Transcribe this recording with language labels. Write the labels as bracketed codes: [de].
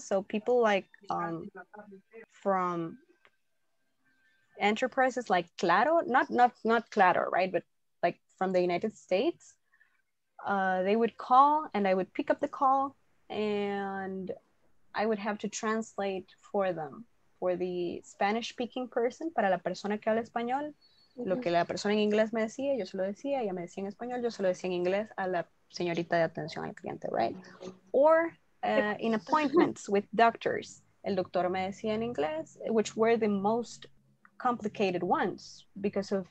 [en] So people like from enterprises like Claro, not Claro, right? But like from the United States. They would call and I would pick up the call and I would have to translate for them, for the Spanish speaking person, [es] para la persona que habla español, [en] mm-hmm. [es] lo que la persona en inglés me decía, yo se lo decía, ella me decía en español, yo se lo decía en inglés a la señorita de atención al cliente, right? [en] Or in appointments with doctors, [es] el doctor me decía en inglés, [en] which were the most complicated ones because of...